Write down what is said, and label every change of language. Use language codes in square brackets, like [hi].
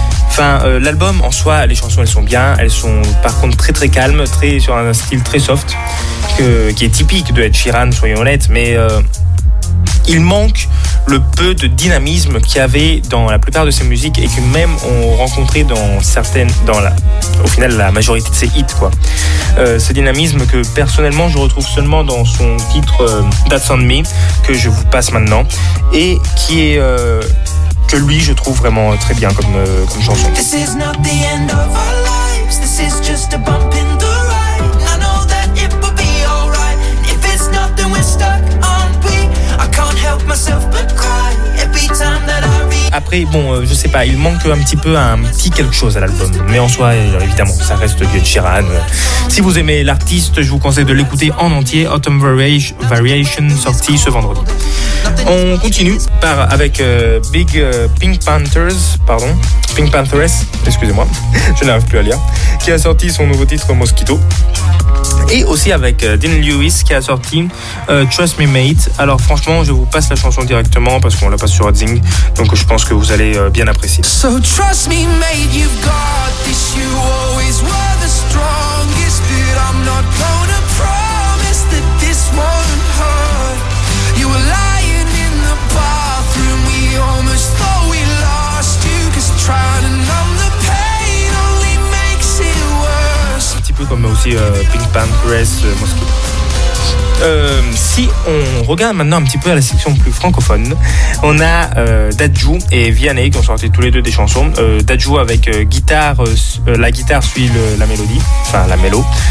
[fr] Enfin, l'album en soi, les chansons elles sont bien, elles sont par contre très très calmes, très sur un style très soft, qui est typique de Ed Sheeran, soyons honnêtes, mais il manque le peu de dynamisme qu'il y avait dans la plupart de ses musiques et que même on rencontrait dans certaines, la majorité de ses hits, quoi. Ce dynamisme que personnellement je retrouve seulement dans son titre That's On Me, que je vous passe maintenant, et qui est. Que lui, je trouve vraiment très bien comme chanson. [en] This is not the end of our lives. This is just a bump in the ride. I know that it will be alright. If it's not, then we're stuck, aren't we? I can't help myself but cry. Every time that I [fr] Après, bon, je sais pas, il manque un petit peu un petit quelque chose à l'album. Mais en soi, évidemment, ça reste du Ed Sheeran. Si vous aimez l'artiste, je vous conseille de l'écouter en entier. Autumn Variation, sorti ce vendredi. On continue avec Big Pink Panthers, pardon. Pink Panthers, excusez-moi, je n'arrive plus à lire. Qui a sorti son nouveau titre Mosquito. Et aussi avec Dean Lewis qui a sorti Trust Me Mate. Alors franchement, je vous passe la chanson directement parce qu'on la passe sur Redzing, donc je pense que vous allez bien apprécier. [en] So trust me mate, you've got this. You always were the strongest. But I'm not gonna promise that this won't hurt. You were lying in the bathroom. We almost thought we lost you. Cause trying to numb the pain only makes it worse. [fr] Un petit peu comme aussi Pink Panthers, Mosquito. Si on regarde maintenant un petit peu à la section plus francophone, on a Dadju et Vianney qui ont sorti tous les deux des chansons. Dadju avec la guitare suit la mélodie, enfin la mélo.